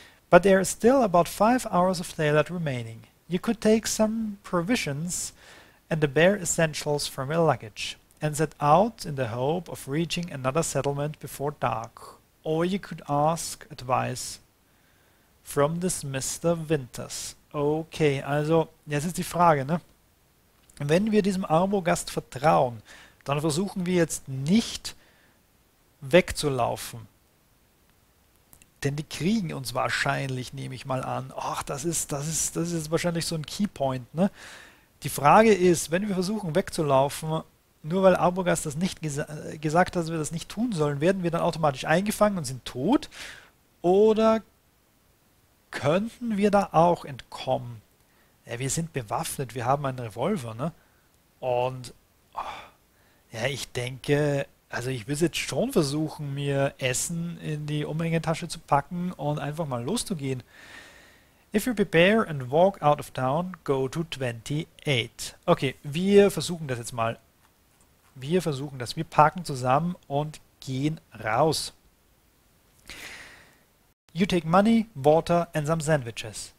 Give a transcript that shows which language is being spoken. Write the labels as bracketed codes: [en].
[en] But there is still about 5 hours of daylight remaining. You could take some provisions and the bare essentials from your luggage and set out in the hope of reaching another settlement before dark. Or you could ask advice from this Mr. [de] Winters. Okay, also jetzt ist die Frage, ne? Wenn wir diesem Arbogast vertrauen, dann versuchen wir jetzt nicht wegzulaufen. Denn die kriegen uns wahrscheinlich, nehme ich mal an. Ach, das ist jetzt wahrscheinlich so ein Keypoint, ne? Die Frage ist, wenn wir versuchen wegzulaufen, nur weil Arbogast das nicht gesagt hat, dass wir das nicht tun sollen, werden wir dann automatisch eingefangen und sind tot? Oder könnten wir da auch entkommen? Ja, wir sind bewaffnet, wir haben einen Revolver, ne? Und ja, ich denke, also ich will jetzt schon versuchen, mir Essen in die Umhängetasche zu packen und einfach mal loszugehen. [en] If you prepare and walk out of town, go to 28. [de] Okay, wir versuchen das jetzt mal. Wir versuchen das. Wir packen zusammen und gehen raus. [en] You take money, water and some sandwiches.